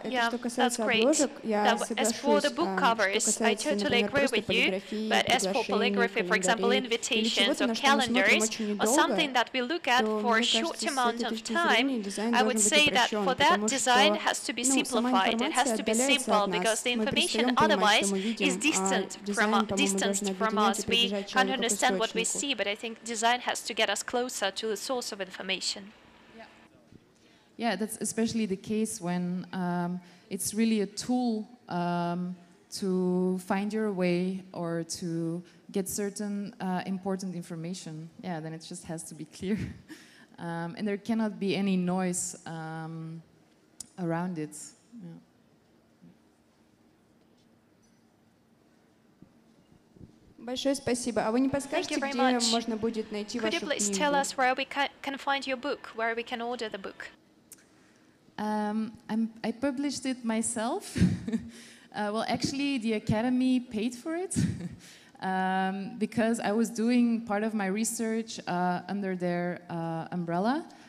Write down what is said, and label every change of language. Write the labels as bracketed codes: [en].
[ru] Это что касается обложек, я соглашусь. [en] As for the book covers, I totally agree with you. But as for polygraphy, for example, invitations or calendars, or something that we look at for a short amount of time, I would say that for that design has to be simplified. It has to be simple because the information otherwise is distanced from us. We can't understand what we see, but I think design has to get us closer to the source of information. Yeah, that's especially the case when it's really a tool to find your way or to get certain important information, yeah, then it just has to be clear. And there cannot be any noise around it. Yeah. [ru] Большое спасибо. А вы не подскажете, где можно будет найти вашу книгу? [en] Could you please tell us where we can find your book, where we can order the book? I published it myself. Well, actually, the academy paid for it because I was doing part of my research under their umbrella.